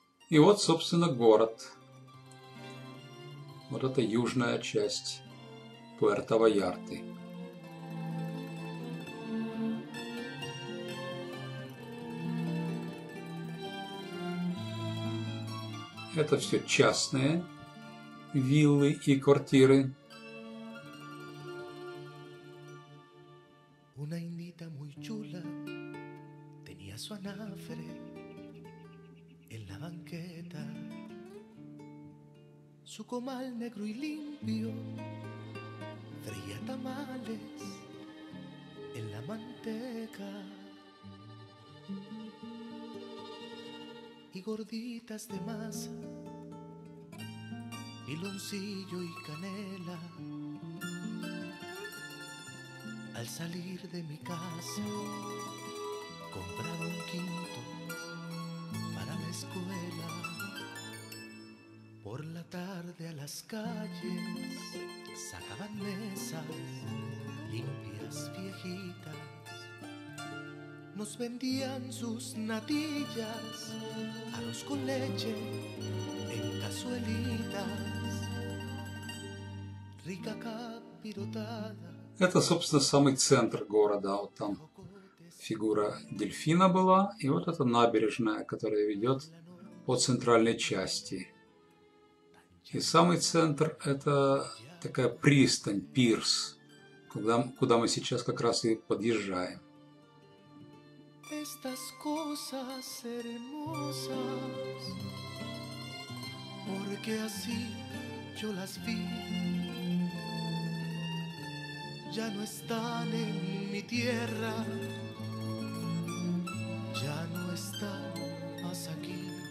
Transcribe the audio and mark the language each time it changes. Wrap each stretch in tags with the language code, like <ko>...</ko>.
<ru>И вот, собственно, город. Вот это южная часть Пуэрто-Вайарты. Это все частные виллы и квартиры.</ru> <es>Una indita muy chula tenía su anafre en la banqueta. Su comal negro y limpio freía tamales en la manteca y gorditas de masa, piloncillo y canela. Al salir de mi casa compraba un quinto para la escuela. Por la tarde a las calles sacaban mesas limpias, viejitas. Nos vendían sus natillas, arroz con leche en cazuelitas. Rica capirotada.</es> <ru>Это, собственно, самый центр города. Вот там фигура дельфина была. И вот эта набережная, которая ведет по центральной части. И самый центр – это такая пристань, пирс, куда мы сейчас как раз и подъезжаем.</ru> <es>Estas cosas hermosas, porque así yo las vi. Ya no están en mi tierra, ya no están más aquí.</es>